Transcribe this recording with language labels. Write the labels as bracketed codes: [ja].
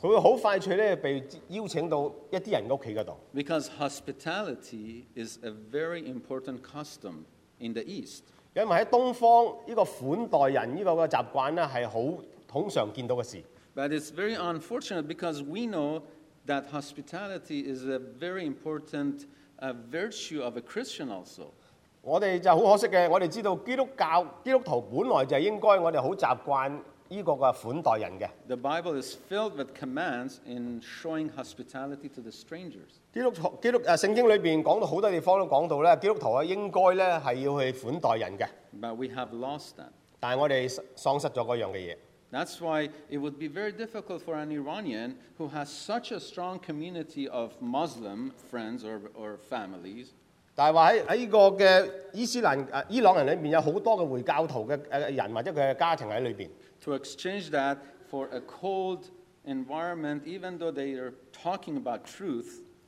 [yue] 佢會好快脆咧被邀請到一啲人屋企嗰度。 [en] Because hospitality is a very important custom in the East. [yue] 因為喺東方呢個款待人呢個嘅習慣咧係好。通常見到嘅事。 [en] But it's very unfortunate because we know that hospitality is a very important virtue of a Christian also. [yue] 我哋就好可惜嘅，我哋知道基督徒本來就應該我哋好習慣依個嘅款待人嘅。 [en] The Bible is filled with commands in showing hospitality to the strangers. [yue] 聖經裏邊講到好多地方都講到咧，基督徒啊應該咧係要去款待人嘅。 [en] But we have lost that. [yue] 但係我哋喪失咗嗰樣嘅嘢。 [en] That's why it would be very difficult for an Iranian who has such a strong community of Muslim friends or families. [yue] 但係話喺呢個嘅伊斯蘭伊朗人裏邊有好多嘅回教徒嘅人或者佢嘅家庭喺裏邊。 [en] To exchange that for a cold environment, even though they are talking about truth.